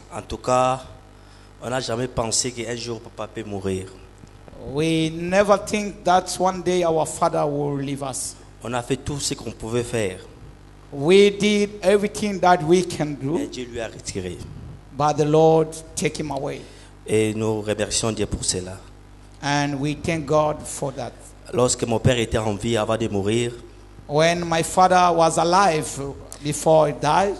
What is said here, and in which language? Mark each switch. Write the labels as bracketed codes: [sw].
[fr] En tout cas, on n'a jamais pensé qu'un jour papa peut mourir. [en] We never think that one day our father will leave us. [fr] On a fait tout ce qu'on pouvait faire. [en] We did everything that we can do. [fr] Et Dieu lui a retiré. [en] But the Lord took him away. [fr] Et nous remercions Dieu pour cela. [en] And we thank God for that. [fr] Lorsque mon père était en vie avant de mourir, [en] when my father was alive before he died,